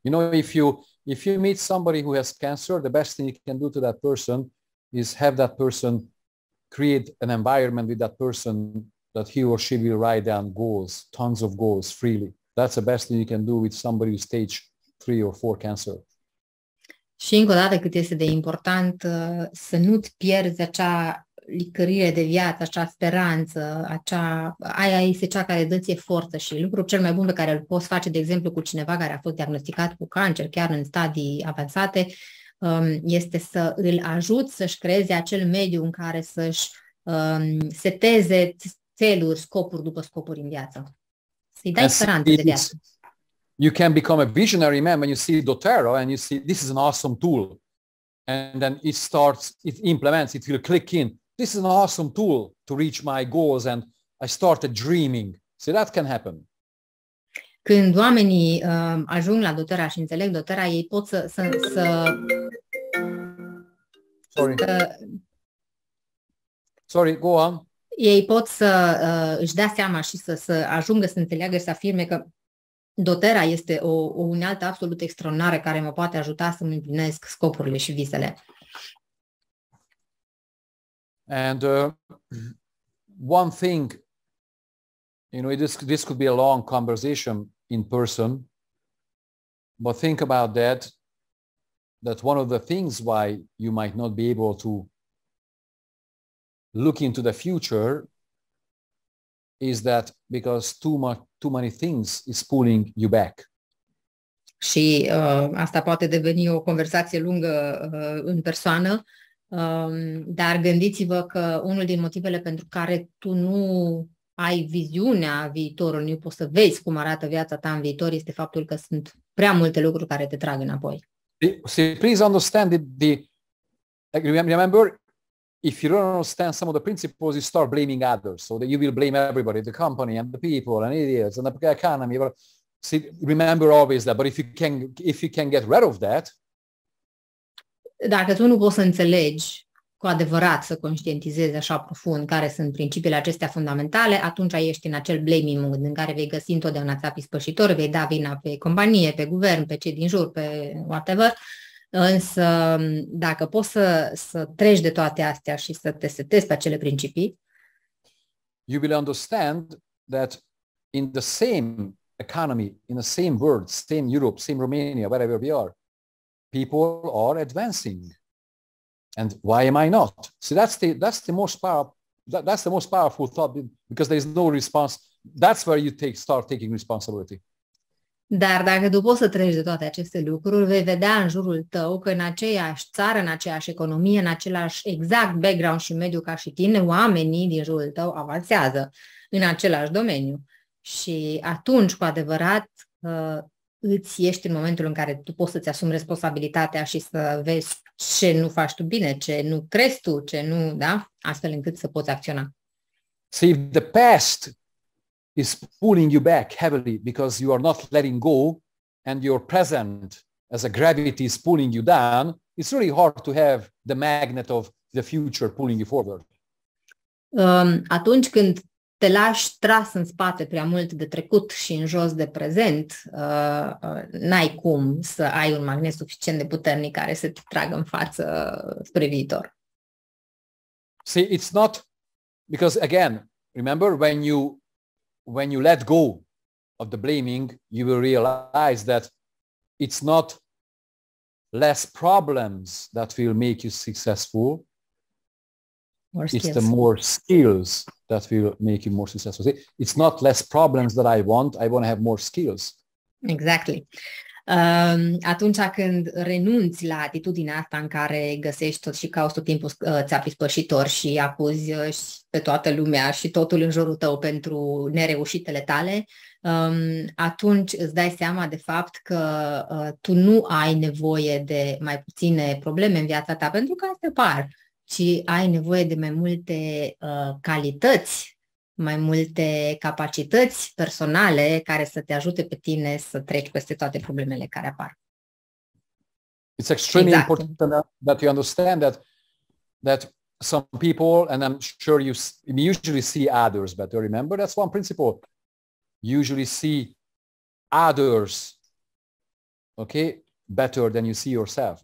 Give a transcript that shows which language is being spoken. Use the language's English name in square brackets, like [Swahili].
[English] You know, if you meet somebody who has cancer, the best thing you can do to that person is have that person create an environment with that person that he or she will write down goals, tons of goals freely. That's the best thing you can do with somebody with stage 3 or 4 cancer. [Romanian] Și încă o dată cât este de important să nu-ți pierzi acea licărire de viață, acea speranță, aia este cea care dă ție forță și lucrul cel mai bun pe care îl poți face, de exemplu, cu cineva care a fost diagnosticat cu cancer, chiar în stadii avansate, este să îl ajut să-și creeze acel mediu în care să-și seteze țeluri, scopuri după scopuri în viață. Să-i dai speranță de viață. [English] You can become a visionary man when you see doTERRA and you see this is an awesome tool. And then it starts, it implements, it will click in. This is an awesome tool to reach my goals and I started dreaming. So that can happen. [Romanian] Când oamenii ajung la doTERRA și înțeleg doTERRA, ei pot să... [English] Sorry, go on. [Romanian] Ei pot să își dea seama și să ajungă să înțeleagă și să afirme că doTERRA este o unealtă absolut extraordinară care mă poate ajuta să îmi împlinesc scopurile și visele. [English] And one thing, you know, this could be a long conversation in person, but think about that one of the things why you might not be able to look into the future is that because too many things is pulling you back. [Romanian] Și asta poate deveni o conversație lungă în persoană, dar gândiți-vă că unul din motivele pentru care tu nu ai viziunea viitorului, nu poți să vezi cum arată viața ta în viitor, este faptul că sunt prea multe lucruri care te trag înapoi. [English] See, please understand remember, if you don't understand some of the principles, you start blaming others. So that you will blame everybody, the company and the people and idiots and the economy. But see, remember always that. But if you can get rid of that. [Romanian] Dacă tu nu poți să înțelegi cu adevărat, să conștientizezi așa profund care sunt principiile acestea fundamentale, atunci ești în acel [English] blaming mood [Romanian] în care vei găsi întotdeauna țapii spășitori, vei da vina pe companie, pe guvern, pe cei din jur, pe [English] whatever. [Romanian] Însă, dacă poți să treci de toate astea și să te setezi pe acele principii, [English] you will understand that in the same economy, in the same world, same Europe, same Romania, wherever we are, people are advancing. And why am I not? See, that's the most powerful thought, because there is no response. That's where you start taking responsibility. [Romanian] Dar dacă tu poți să treci de toate aceste lucruri, vei vedea în jurul tău că în aceeași țară, în aceeași economie, în același exact background și mediu ca și tine, oamenii din jurul tău avansează în același domeniu. Și atunci, cu adevărat, îți ești în momentul în care tu poți să-ți asumi responsabilitatea și să vezi ce nu faci tu bine, ce nu crezi tu, ce nu, da? Astfel încât să poți acționa. [English] See, the past is pulling you back heavily because you are not letting go and your present as a gravity is pulling you down, it's really hard to have the magnet of the future pulling you forward. [Romanian] Atunci când te lași tras în spate prea mult de trecut și în jos de prezent, n-ai cum să ai un magnet suficient de puternic care să te tragă în față spre viitor. [English] See, it's not, because again, remember when you let go of the blaming, you will realize that it's not less problems that will make you successful. More it's the more skills that will make you more successful. See, it's not less problems that I want to have more skills. Exactly. [Romanian] Atunci când renunți la atitudinea asta în care găsești tot și cauți tot timpul țapii spășitori și acuzi pe toată lumea și totul în jurul tău pentru nereușitele tale, atunci îți dai seama de fapt că tu nu ai nevoie de mai puține probleme în viața ta pentru că astea apar, ci ai nevoie de mai multe calități, mai multe capacități personale care să te ajute pe tine să treci peste toate problemele care apar. [English] It's extremely exact. Important that you understand that some people, and I'm sure you usually see others better, remember, that's one principle. You usually see others, okay, better than you see yourself.